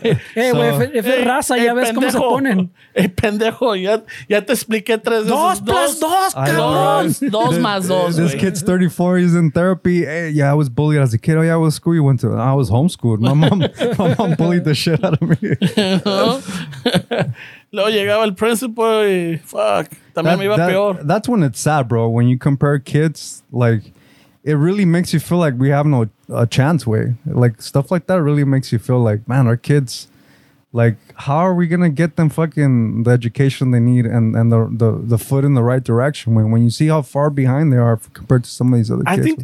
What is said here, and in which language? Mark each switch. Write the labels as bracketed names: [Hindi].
[Spanish] way. Hey, güey, so, if es raza, ya ves cómo se ponen. Hey, pendejo, ya te expliqué tres veces. Dos plus dos, cabrón. Dos más dos, [English] this wey. Kid's 34, he's in therapy. Hey, yeah, I was bullied as a kid. Oh, yeah, what school you went to? I was homeschooled. My mom bullied the shit out of me. [Spanish] Luego llegaba el principal y fuck, también me iba peor. [English] That's when it's sad, bro. When you compare kids, like, it really makes you feel like we have no chance, way. Like, stuff like that really makes you feel like, man, our kids, like, how are we going to get them fucking the education they need and the foot in the right direction? When you see how far behind they are compared to some of these other kids.